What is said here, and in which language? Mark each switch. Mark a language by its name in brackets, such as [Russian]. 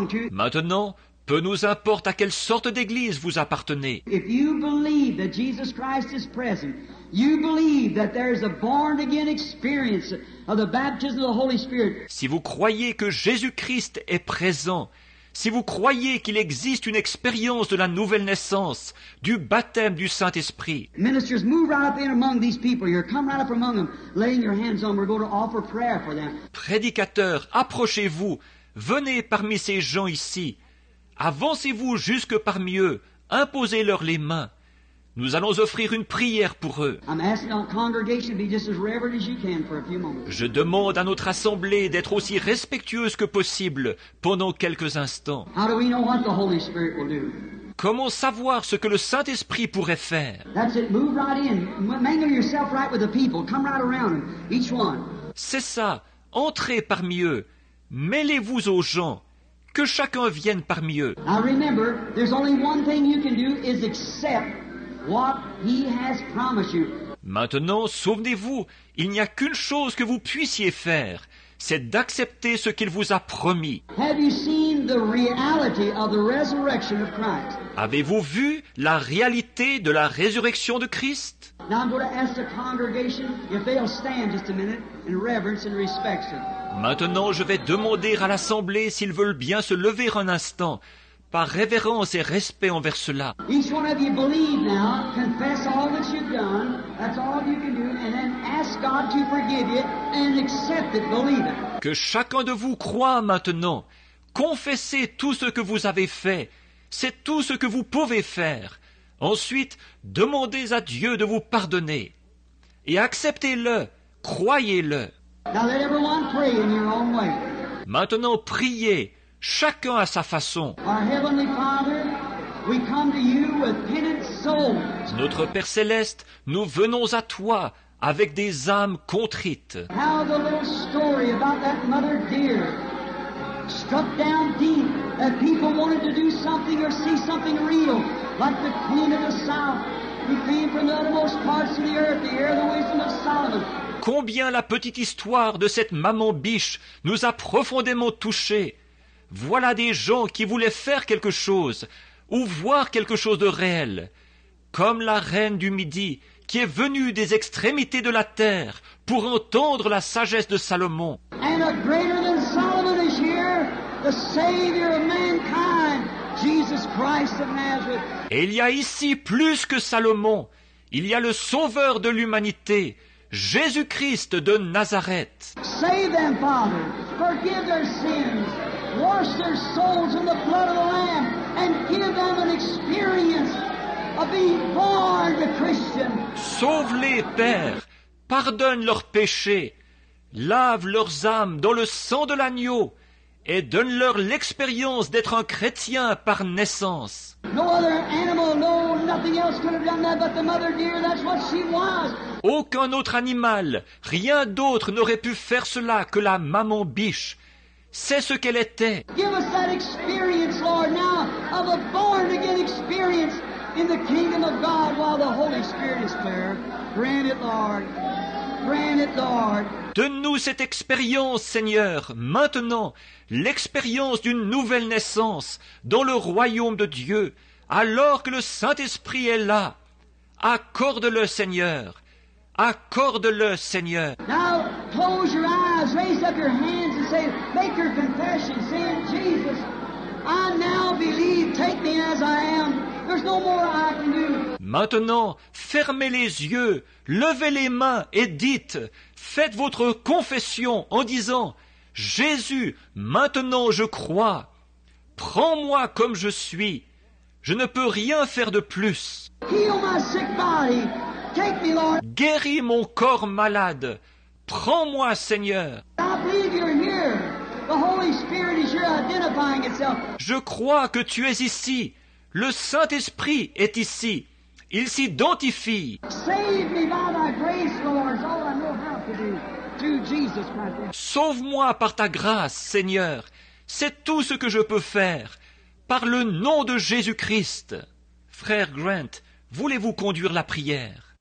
[French] Maintenant, peu nous importe à quelle sorte d'église vous appartenez. [English] If you believe that Jesus Christ is present, you believe that there is a born again experience of the baptism of the Holy Spirit. [French] Si vous croyez que Jésus-Christ est présent, si vous croyez qu'il existe une expérience de la nouvelle naissance, du baptême du Saint-Esprit. [English] Ministers, move right up in among these people here. Come right up among them, laying your hands on them. We're going to offer prayer for them. [French] Prédicateurs, approchez-vous. Venez parmi ces gens ici. Avancez-vous jusque parmi eux. Imposez-leur les mains. Nous allons offrir une prière pour eux. [English] I'm asking our congregation to be just as reverent as you can for a few moments. [French] Je demande à notre assemblée d'être aussi respectueuse que possible pendant quelques instants. [English] How do we know what the Holy Spirit will do? [French] Comment savoir ce que le Saint-Esprit pourrait faire? [English] That's it. Move right in. Mingle yourself right with the people. Come right around them, each one. [French] C'est ça. Entrez parmi eux. Mêlez-vous aux gens. Que chacun vienne parmi eux. [English] Now remember, there's only one thing you can do is accept what he has promised you. [French] Maintenant, souvenez-vous, il n'y a qu'une chose que vous puissiez faire, c'est d'accepter ce qu'il vous a promis. [English] Have you seen the reality of the resurrection of Christ? [French] Avez-vous vu la réalité de la résurrection de Christ? [English] Now I'm going to ask the congregation if they'll stand just a minute in reverence and respect, sir. [French] Maintenant, je vais demander à l'assemblée s'ils veulent bien se lever un instant, par révérence et respect envers cela. [English] Each one of you believe now, confess all that you've done, that's all you can do, and then ask God to forgive you and accept it, believe it. [French] Que chacun de vous croit maintenant. Confessez tout ce que vous avez fait. C'est tout ce que vous pouvez faire. Ensuite, demandez à Dieu de vous pardonner. Et acceptez-le, croyez-le. [English] Now let everyone pray in your own way. [French] Maintenant, priez. Chacun à sa façon. [English] Our Heavenly Father, we come to you with penitent souls. [French] Notre Père Céleste, nous venons à toi avec des âmes contrites. [English] How the little story about that mother dear struck down deep, that people wanted to do something or see something real, like the Queen of the South, who came from the uttermost parts of the earth to hear the wisdom of Solomon. [French] Combien la petite histoire de cette maman biche nous a profondément touchés. Voilà des gens qui voulaient faire quelque chose ou voir quelque chose de réel, comme la reine du Midi qui est venue des extrémités de la terre pour entendre la sagesse de Salomon. [English] And a greater than Solomon is here, the Savior of mankind, Jesus Christ of Nazareth. [French] Et il y a ici plus que Salomon, il y a le Sauveur de l'humanité, Jésus-Christ de Nazareth. [English] Save them, Father, forgive their sins. Wash their souls in the blood of the Lamb and give them an experience of being born a Christian. [French] Sauve-les, Père. pardonne leurs péchés, lave leurs âmes dans le sang de l'agneau et donne-leur l'expérience d'être un chrétien par naissance. [English] No other animal, no, nothing else could have done that but the mother deer, that's what she was. [French] Aucun autre animal, rien d'autre n'aurait pu faire cela que la maman biche. C'est ce qu'elle était. [English] Give us that experience, Lord, now of a born again experience in the kingdom of God while the Holy Spirit is there. Grant it, Lord. Grant it, Lord. [French] Donne-nous cette expérience, Seigneur, maintenant, l'expérience d'une nouvelle naissance dans le royaume de Dieu, alors que le Saint-Esprit est là. Accorde-le, Seigneur. Accorde-le, Seigneur. [English] Now, close your eyes, raise up your hands and say, make your confession, saying, Jesus, I now believe, take me as I am. There's no more I can do. [French] Maintenant, fermez les yeux, levez les mains et dites, faites votre confession en disant, Jésus, maintenant je crois, prends-moi comme je suis, je ne peux rien faire de plus. [English] Heal my sick body. Take me, Lord. [French] Guéris mon corps malade, prends-moi Seigneur. [English] I believe you're here. The Holy Spirit is here identifying itself. [French] Je crois que tu es ici, le Saint-Esprit est ici. Il s'identifie. [English] Save me by thy grace, Lord, is all I know how to do. Through Jesus Christ. [French] Sauve-moi par ta grâce, Seigneur. C'est tout ce que je peux faire. Par le nom de Jésus-Christ. Frère Grant, voulez-vous conduire la prière?